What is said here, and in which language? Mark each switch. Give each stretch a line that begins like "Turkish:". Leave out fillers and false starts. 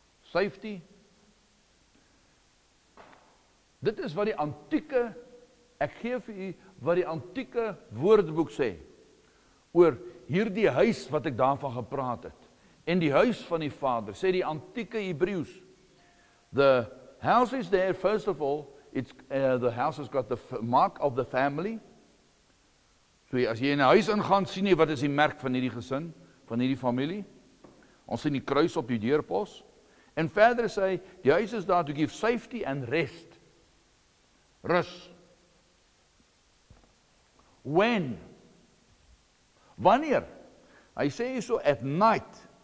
English: Safety.
Afrikaans: Dit is wat die antieke, ek gee vir u wat die antieke woordeboek sê oor hierdie huis wat ek daarvan gepraat het. In die huis van die Vader, sê die antieke Hebreeus,
English: the house is there, first of all, it's, the house has got the mark of the family.
Afrikaans: So as jy in die huis ingaan, sien jy wat is die merk van hierdie gesin, van hierdie familie. Ons sien die kruis op die deurpos. En verder sê, die huis is daar
English: to give safety and rest.
Afrikaans: Rus.
English: When?
Afrikaans: Wanneer? Hy sê so,
English: at night.